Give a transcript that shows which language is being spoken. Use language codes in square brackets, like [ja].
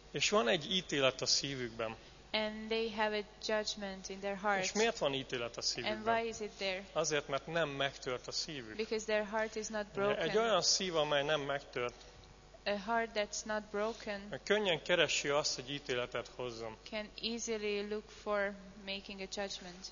[hu] És van egy ítélet a szívükben. [en] And they have a judgment in their hearts. [hu] És miért van ítélet a szívükben? [en] And why is it there? [hu] Azért, mert nem megtört a szívük. [en] Because their heart is not broken. [hu] Egy olyan szív, amely nem megtört. [en] A heart that's not broken. [hu] Könnyen keresi azt, hogy ítéletet hozzon. [en] Can easily look for making a judgment.